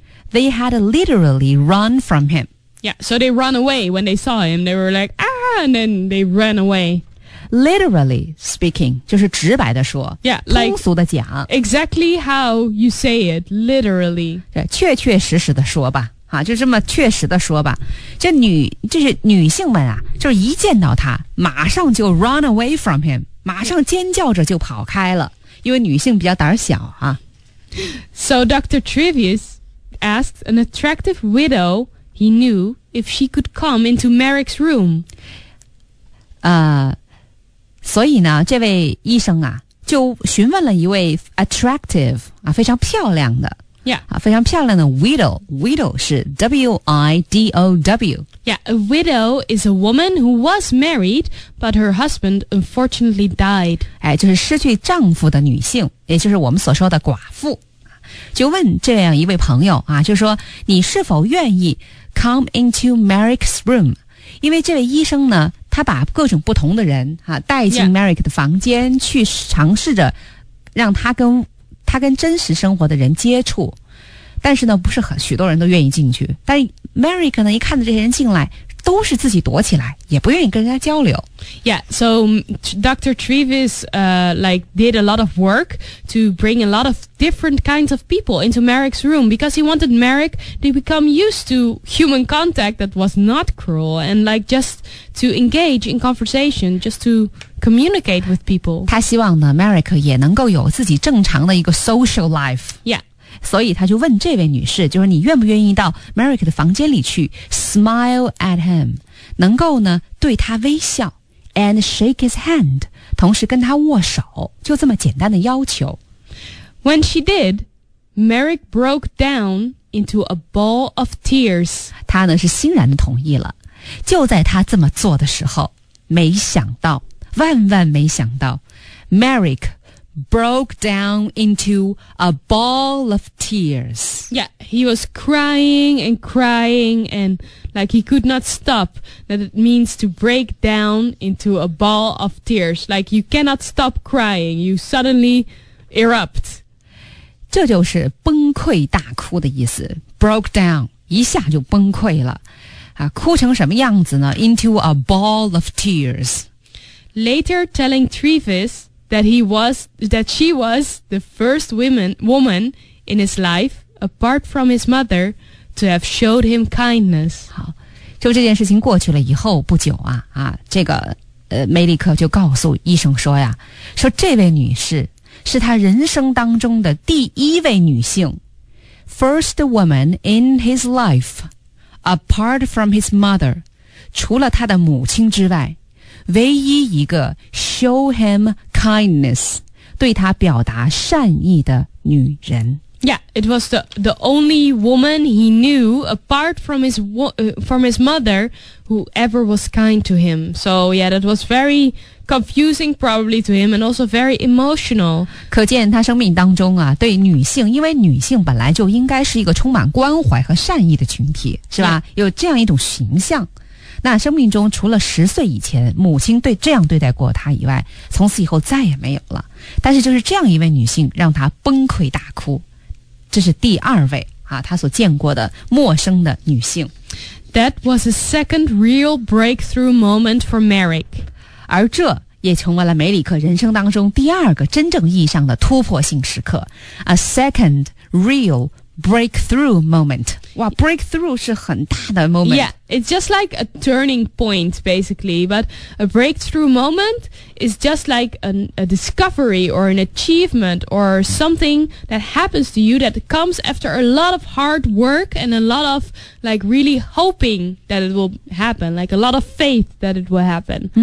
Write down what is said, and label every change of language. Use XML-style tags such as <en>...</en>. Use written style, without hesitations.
<en>They had literally run from him Yeah, so they run away when they saw him They were like, ah, and then they ran away Literally speaking,</en> <zh>就是直白的说</zh> <en>yeah, like,</en> <zh>通俗的讲</zh> <en>Exactly how you say it, literally</en> <zh>对确确实实的说吧啊，就这么确实的说吧这女性们啊就一见到他马上就</zh> <en>run away from him</en> <zh>马上尖叫着就跑开了因为女性比较胆小啊。</zh> <en>So Dr. Treves asked an attractive widow he knew if she could come into Merrick's room</en> <zh>所以呢这位医生啊就询问了一位 attractive, 啊非常漂亮的。</zh> <en>Yeah.</en> <zh>啊非常漂亮的 widow。 Widow 是 W-I-D-O-W。</zh> <en>Yeah, a widow is a woman who was married, but her husband unfortunately died.</en> <zh>哎就是失去丈夫的女性也就是我们所说的寡妇。就问这样一位朋友啊就说你是否愿意</zh> <en>come into Merrick's room?</en> <zh>因为这位医生呢他把各种不同的人啊带进 Merrick 的房间、yeah. 去尝试着让他跟真实生活的人接触。但是呢不是很许多人都愿意进去。但 Merrick 呢一看到这些人进来都是自己躲起来也不愿意跟人家交流。</zh> <en>Yeah, so Dr. Treves, like did a lot of work to bring a lot of different kinds of people into Merrick's room because he wanted Merrick to become used to human contact that was not cruel and like just to engage in conversation, just to communicate with people.</en> <zh>他希望呢 Merrick 也能够有自己正常的一个</zh> <en>social life. Yeah.</en> <zh>所以他就问这位女士，就是你愿不愿意到 Merrick 的房间里去</zh> <en>smile at him,</en> <zh>能够呢对他微笑</zh> <en>and shake his hand,</en> <zh>同时跟他握手，就这么简单的要求。</zh> <en>When she did, Merrick broke down into a ball of tears.</en> <zh>他呢是欣然的同意了。就在他这么做的时候，没想到，万万没想到 ,</zh> <en>Merrick broke down into a ball of tears. Yeah, he was crying and crying and like he could not stop. That it means to break down into a ball of tears. Like you cannot stop crying. You suddenly erupt.</en> <zh>这就是崩溃大哭的意思。</zh> <en>Broke down,</en> <zh>一下就崩溃了。啊，哭成什么样子呢 ?</zh> <en>Into a ball of tears. Later telling Trevis,that she was the first woman in his life, apart from his mother, to have showed him kindness.</en> <zh>好，就这件事情过去了以后不久啊，啊，这个梅里克就告诉医生说呀，说这位女士是他人生当中的第一位女性 ，</zh> <en>first woman in his life, apart from his mother,</en> <zh>除了他的母亲之外。唯一一个</zh> <en>show him kindness</en> <zh>对他表达善意的女人</zh> <en>Yeah, it was the only woman he knew apart from his mother who ever was kind to him. So yeah, that was very confusing probably to him and also very emotional.</en> <zh>可见他生命当中啊，对女性，因为女性本来就应该是一个充满关怀和善意的群体，是吧？ Yeah. 有这样一种形象。那生命中除了十岁以前母亲对这样对待过他以外从此以后再也没有了但是就是这样一位女性让他崩溃大哭这是第二位啊，他所见过的陌生的女性</zh> <en>That was a second real breakthrough moment for Merrick</en> <zh>而这也成为了梅里克人生当中第二个真正意义上的突破性时刻</zh> <en>A second real breakthrough momentWow, breakthrough</en> <zh>是很大的 moment.</zh> <en>Yeah, it's just like a turning point, basically. But a breakthrough moment is just like a discovery or an achievement or something that happens to you that comes after a lot of hard work and a lot of, like, really hoping that it will happen, like a lot of faith that it will happen.</en>